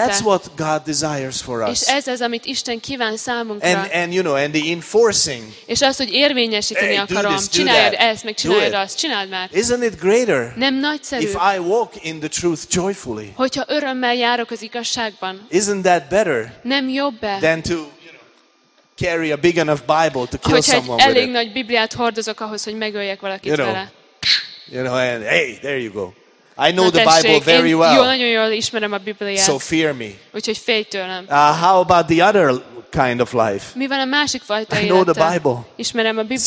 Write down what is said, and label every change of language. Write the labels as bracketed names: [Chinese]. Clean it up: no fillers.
[English] And that's what God desires for us. [Hungarian] És ez az, amit Isten kíván számunkra. [English] And you know, and the enforcing. [Hungarian] És az, hogy érvényesíteni akarom. Csináld ezt, meg csináld azt. Csináld már. [English] Isn't it greater? [Hungarian] Nem nagyszerű. [English] If I walk in the truth joyfully. [Hungarian] Hogyha örömmel járok az igazságban. [English] Isn't that better? [Hungarian] Nem jobb-e? [English] Than to carry a big enough Bible to kill [Hungarian] hogyha [English] someone with it. [Hungarian] Elég nagy Bibliát hordozok ahhoz, hogy megöljek valakit [English] you know, [Hungarian] vele. [English] You know, and hey, there you go. I know [Hungarian] na, [English] the [Hungarian] tessék, [English] Bible very well. [Hungarian] Jól, nagyon jól ismerem a Bibliát. [English] So fear me. [Hungarian] Úgyhogy félj tőlem. [English] How about the other kind of life? [Hungarian] Mi van a másik fajta élete? [English] I know the Bible. [Hungarian] Ismerem a Bibliát.